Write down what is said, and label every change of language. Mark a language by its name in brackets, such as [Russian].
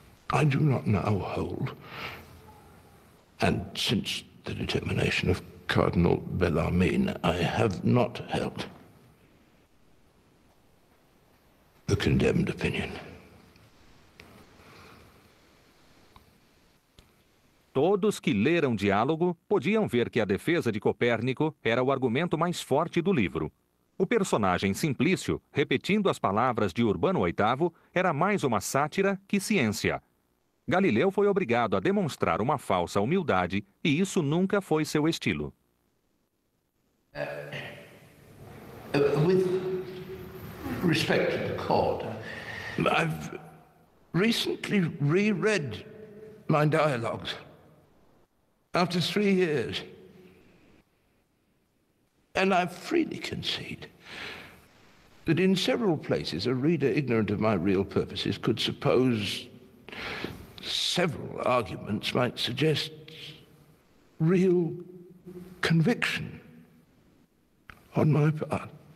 [English] I do not now hold, and since the determination of Cardinal Bellarmine, I have not held the condemned opinion. [Portuguese] Todos que leram Diálogo podiam ver que a defesa de Copérnico era o argumento mais forte do livro. O personagem Simplício, repetindo as palavras de Urbano VIII, era mais uma sátira que ciência. Galileu foi obrigado a demonstrar uma falsa humildade, e isso nunca foi seu estilo. [English] With respect to the court, I've recently reread my dialogues after 3 years. And I freely concede that in several places a reader ignorant of my real purposes could suppose several arguments might suggest real conviction on my part.